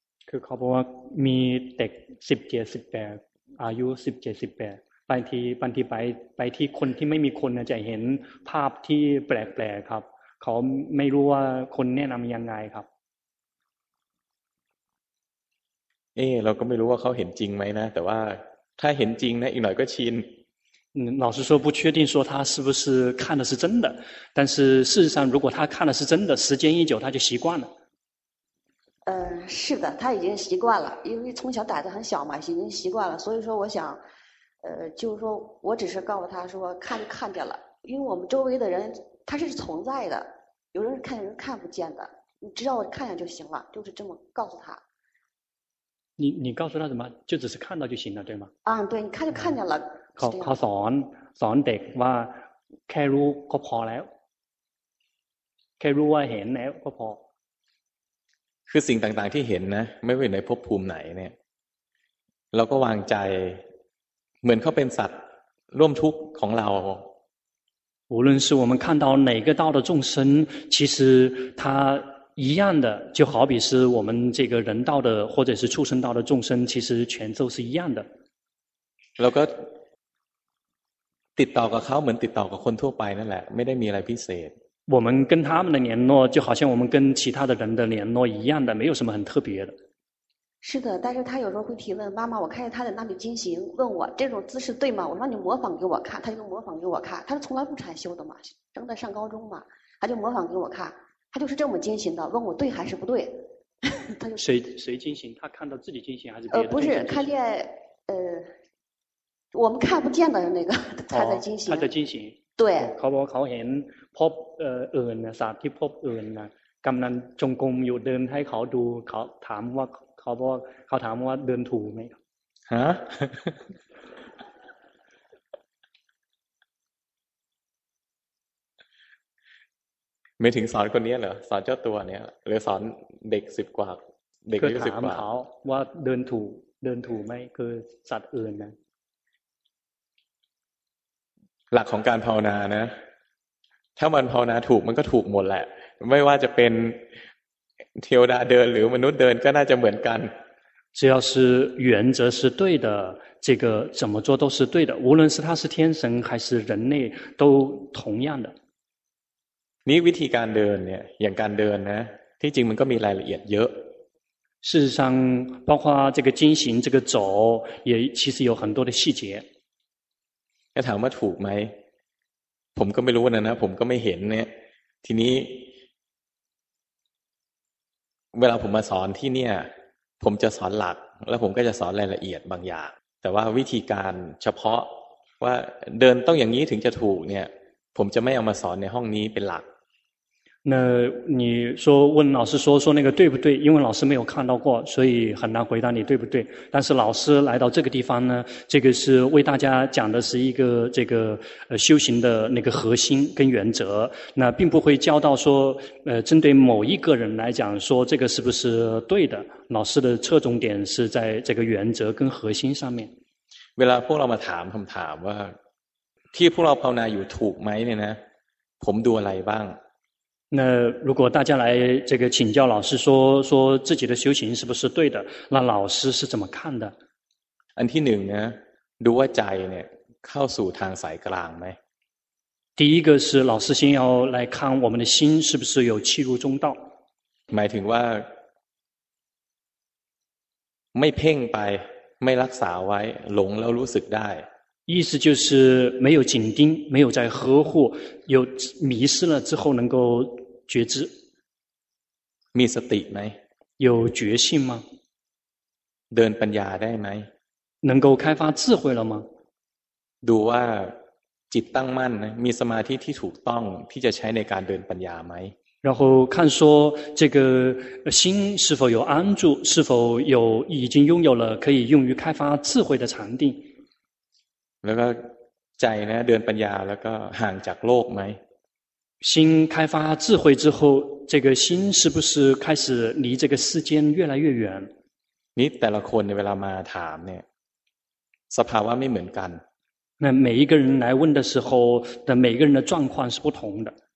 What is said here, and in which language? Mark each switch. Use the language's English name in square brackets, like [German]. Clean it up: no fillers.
[Thai] คือเขาบอกว่ามีเด็ก17 18อายุ17 18บางทีไปที่คนที่ไม่มีคนนะจะเห็นภาพที่แปลกๆครับเขาไม่รู้ว่าคนแนะนำยังไงครับ เราก็ไม่รู้ว่าเขาเห็นจริงไหมนะแต่ว่าถ้าเห็นจริงนะอีกหน่อยก็ชิน [Chinese] 老实说不确定说他是不是看的是真的但是事实上如果他看的是真的时间一久他就习惯了是的他已经习惯了因为从小胆子很小嘛已经习惯了所以说我想就是说我只是告诉他说看就看见了因为我们周围的人他是存在的有人看见人看不见的你只要我看见就行了就是这么告诉他你告诉他什么就只是看到就行了对吗对你看就看见了 [Thai] เขาสอนเด็กว่าแค่รู้ก็พอแล้วแค่รู้ว่าเห็นแล้วก็พอ คือสิ่งต่างๆที่เห็นนะไม่ว่าในภพภูมิไหนเนี่ยเราก็วางใจเหมือนเขาเป็นสัตว์ร่วมทุกข์ของเรา [Chinese] 无论是我们看到哪个道的众生，其实他一样的，就好比是我们这个人道的或者是畜生道的众生，其实全都是一样的。 [Thai] แล้วก็ติดต่อกับเขาเหมือนติดต่อกับคนทั่วไปนั่นแหละไม่ได้มีอะไรพิเศษ [Chinese] 我们跟他们的联络就好像我们跟其他的人的联络一样的，没有什么很特别的。是的，但是他有时候会提问妈妈，我看见他在那里进行，问我这种姿势对吗？我说你模仿给我看，他就模仿给我看。他是从来不禅修的嘛，正在上高中嘛，他就模仿给我看，他就是这么进行的，问我对还是不对？他就谁进行？他看到自己进行还是别人进行？不是看见我们看不见的那个他在进行，他在进行。对。 [Thai] เขาบอกเขาเห็นพบอื่นสัตว์ที่พบอื่นนะกำนันจงกรมอยู่เดินให้เขาดูเขาถามว่าเขาบอกเขาถามว่าเดินถูกไหม ฮะไม่ถึงสอนคนนี้เหรอสอนเจ้าตัวเนี้ยหรือสอนเด็กสิบกว่าเด็กอายุสิบกว่า ถามเขาว่าเดินถูกเดินถูกไหมคือสัตว์อื่นนะ หลักของการภาวนานะถ้ามันภาวนาถูกมันก็ถูกหมดแหละไม่ว่าจะเป็นเทวดาเดินหรือมนุษย์เดินก็น่าจะเหมือนกัน [Chinese] 只要是原则是对的，这个怎么做都是对的，无论是他是天神还是人类都同样的。 [Thai] นี่วิธีการเดินเนี่ยอย่างการเดินนะที่จริงมันก็มีรายละเอียดเยอะ [Chinese] 事实上包括这个进行这个走也其实有很多的细节 [Thai] แต่ถามว่าถูกไหมผมก็ไม่รู้นะผมก็ไม่เห็นเนี่ยทีนี้เวลาผมมาสอนที่เนี่ยผมจะสอนหลักแล้วผมก็จะสอนรายละเอียดบางอย่างแต่ว่าวิธีการเฉพาะว่าเดินต้องอย่างนี้ถึงจะถูกเนี่ยผมจะไม่เอามาสอนในห้องนี้เป็นหลัก [Chinese] 那你说问老师说那个对不对因为老师没有看到过所以很难回答你对不对但是老师来到这个地方呢这个是为大家讲的是一个这个修行的那个核心跟原则那并不会教到说针对某一个人来讲说这个是不是对的老师的侧重点是在这个原则跟核心上面 [Thai] เวลาพวกเรามาถามคำถามว่าที่พวกเราภาวนาอยู่ถูกไหมเนี่ยนะผมดูอะไรบ้าง [Chinese] 那如果大家来这个请教老师说自己的修行是不是对的那老师是怎么看的 [Thai] อันที่หนึ่งนะดูว่าใจเนี่ยเข้าสู่ทางสายกลางไหม [Chinese] 第一个是老师先要来看我们的心是不是有契入中道 [Thai] หมายถึงว่าไม่เพ่งไปไม่รักษาไว้หลงแล้วรู้สึกได้ [Chinese] 意思就是没有紧盯没有在呵护有迷失了之后能够觉知 [Thai] มีสติไหม [Chinese] 有觉性吗 [Thai] เดินปัญญาได้ไหม [Chinese] 能够开发智慧了吗 [Thai] ดูว่าจิตตั้งมั่นมีสมาธิที่ถูกต้องที่จะใช้ในการเดินปัญญาไหม [Chinese] 然后看说这个心是否有安住是否有已经拥有了可以用于开发智慧的禅定 [Thai] แล้วก็ใจนะเดินปัญญาแล้วก็ห่างจากโลกไหม [Chinese] 心开发智慧之后这个心是不是开始离这个世间越来越远 [Thai] นี่แต่ละคนเวลามาถามเนี่ยสภาวะไม่เหมือนกัน [Chinese] 那每一个人来问的时候的每一个人的状况是不同的